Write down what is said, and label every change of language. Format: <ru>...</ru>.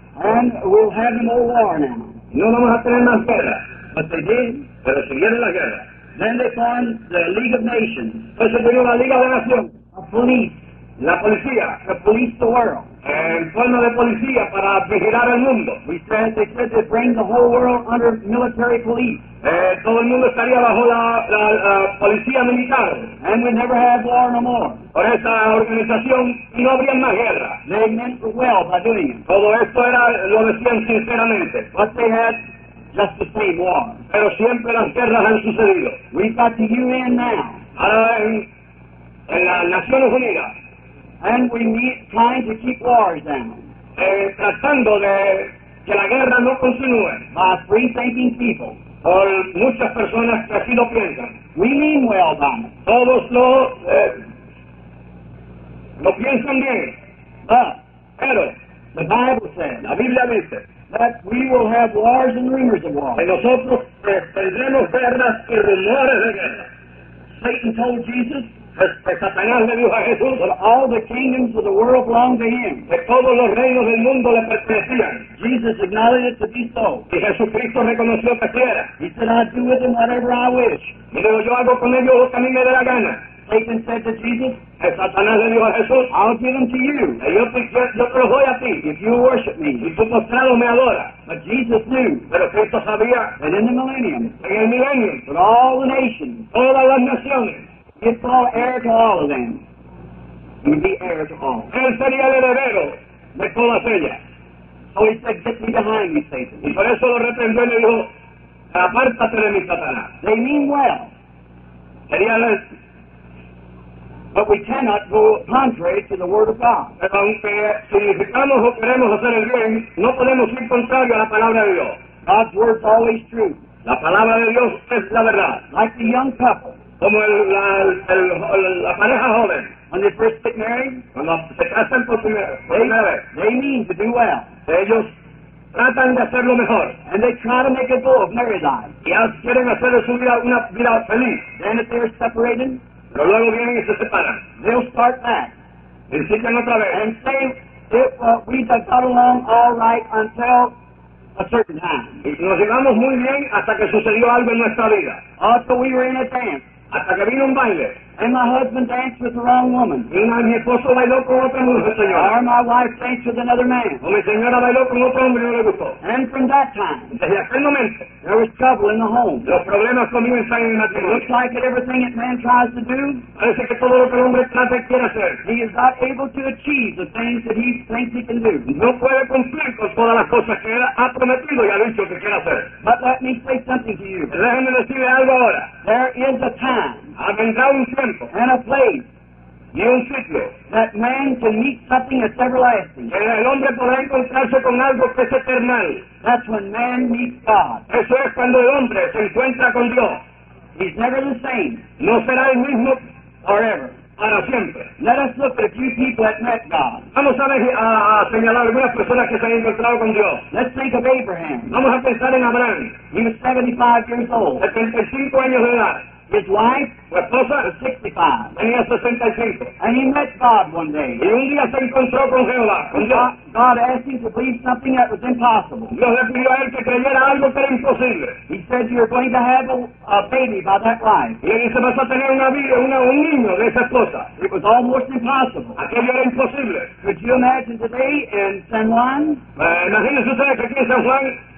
<en>And we'll have no war now.</en> <es>No vamos a tener más guerra.</es> <en>But they did.</en> <es>Pero siguieron la guerra.</es> <en>Then they formed the League of Nations.</en> <es>Entonces vino la Liga de Naciones.</es> <en>A police.</en> <es>La policía.</es> <en>To police the world.</en> <es>En forma de policía para vigilar el mundo.</es> <en>They said they'd bring the whole world under military police.</en> <es>Todo el mundo estaría bajo la policía militar.</es> <en>And we never have war no more.</en> <es>Por esa organización y no habría más guerra.</es> <en>They meant well by doing it.</en> <es>Todo esto era lo decían sinceramente.</es> <en>But they had just the same war.</en> <es>Pero siempre las guerras han sucedido.</es> <en>We've got the UN now.</en> <es>Ahora en las Naciones Unidas.</es> <en>And we need trying to keep wars down.</en> <es>Tratando de que la guerra no continúe.</es> <en>By free-thinking people.</en> <es>Por muchas personas que así lo piensan.</es> <en>We mean well, Obama.</en> <es>Todos lo piensan bien.</es> <en>But,</en> <es>pero,</es> <en>the Bible says,</en> <es>la Biblia dice,</es> <en>that we will have wars and rumors of wars.</en> <es>Que nosotros tendremos guerras y rumores de guerra.</es> <en>Satan told Jesus,</en> <es>Satanás le dijo a Jesús,</es> <en>that all the kingdoms of the world belong to him.</en> <es>Que todos los reinos del mundo le pertenecían.</es> <en>Jesus acknowledged it to be so.</en> <es>Y Jesucristo reconoció que era.</es> <en>He said, I'll do with them whatever I wish.</en> <es>Y digo, yo hago con ellos lo que a mí me dé la gana.</es> <en>Satan said to Jesus?</en> <es>El Satanás le dijo a Jesús,</es> <en>I'll give them to you.</en> <es>Yo te los doy a ti.</es> <en>If you worship me.</en> <es>Si tú postrado me adora.</es> <en>But Jesus knew.</en> <es>Pero Cristo sabía.</es> <en>That in the millennium.</en> <es>En el milenio.</es> <en>With all the nations.</en> <es>Todas las naciones.</es> <en>He'd fall heir to all of them. He'd be heir to all.</en> <es>Él sería el heredero de todas ellas.</es> <en>So he said, get me behind me, Satan.</en> <es>Y por eso lo reprendió y le dijo, apártate de mi Satanás.</es> <en>They mean well.</en> <es>Sería el...</es> <en>But we cannot go contrary to the word of God.</en> <es>Pero aunque significamos o queremos hacer el bien, no podemos ir contrario a la palabra de Dios.</es> <en>God's word is always true.</en> <es>La palabra de Dios es la verdad.</es> <en>Like the young couple.</en> <es>Como la pareja joven.</es> <en>When they first get married.</en> <es>Cuando se casan por primera vez.</es> <en>They mean to do well.</en> <es>Ellos tratan de hacer lo mejor.</es> <en>And they try to make a goal of married life.</en> <es>Y quieren hacer de su vida una vida feliz.</es> <en>Then if they're separated.</en> <es>Pero luego vienen y se separan.</es> <en>They'll start back.</en> <es>Insisten otra vez.</es> <en>And say, we have got along all right until a certain time.</en> <es>Y nos llevamos muy bien hasta que sucedió algo en nuestra vida.</es> <en>Also, we were in a dance.</en> <es>Hasta que vino un baile.</es> <en>And my husband danced with the wrong woman.</en> <es>Y mi esposo bailó con otra mujer, señora.</es> <en>Or my wife danced with another man.</en> <es>O mi señora bailó con otro hombre y no le gustó.</es> <en>And from that time.</en> <es>Desde aquel momento.</es> <en>There was trouble in the home.</en> <es>Los problemas comienzan en el matrimonio.</es> <en>Looks like that everything that man tries to do.</en> <es>Parece que todo lo que el hombre trata y quiere hacer.</es> <en>He is not able to achieve the things that he thinks he can do.</en> <es>No puede cumplir con todas las cosas que él ha prometido y ha dicho que quiere hacer.</es> <en>But let me say something to you.</en> <es>Déjeme decirle algo ahora.</es> <en>There is a time.</en> <es>Vendrá un tiempo.</es> <en>And a place.</en> <es>Y un sitio.</es> <en>That man can meet something that's everlasting.</en> <es>Que el hombre podrá encontrarse con algo que es eternal.</es> <en>That's when man meets God.</en> <es>Eso es cuando el hombre se encuentra con Dios.</es> <en>He's never the same.</en> <es>No será el mismo.</es> <en>Forever.</en> <es>Para siempre.</es> <en>Let us look at a few people that met God.</en> <es>Vamos a señalar algunas personas que se han encontrado con Dios.</es> <en>Let's think of Abraham.</en> <es>Vamos a pensar en Abraham.</es> <en>He was 75 years old.</en> <es>75 años de edad.</es> <en>His wife was 65. And he met God one day.</en> <es>Y un día se encontró con Jehová.</es> <en>God asked him to believe something that was impossible.</en> <es>Dios le pidió a él que creyera algo que era imposible.</es> <en>He said, you're going to have a baby by that wife.</en> <es>Y él dice, vas a tener una vida, un niño de esa esposa.</es> <en>It was almost impossible.</en> <es>Aquello era imposible.</es> <en>Could you imagine today in San Juan?</en> <es>Imagínese usted que aquí en San Juan.</es>